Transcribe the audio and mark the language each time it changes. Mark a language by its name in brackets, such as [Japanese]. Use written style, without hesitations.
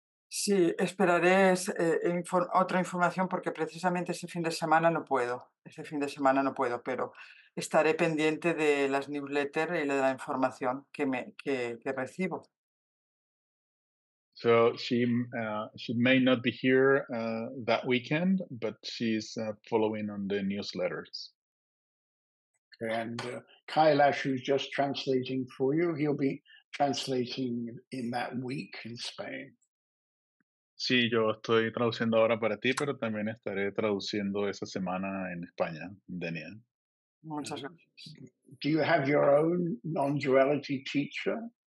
[Spanish] Sí, esperaré otra información porque precisamente ese fin de semana no puedo. Ese fin de semana no puedo, pero estaré pendiente de las newsletters y de la información que recibo. [English] So she may not be here that weekend, but she's following on the newsletters. And Kailash, who's just translating for you, he'll be translating in that week in Spain. [Spanish] Sí, yo estoy traduciendo ahora para ti, pero también estaré traduciendo esa semana en España, Daniel. Muchas gracias. [English] Do you have your own non-duality teacher?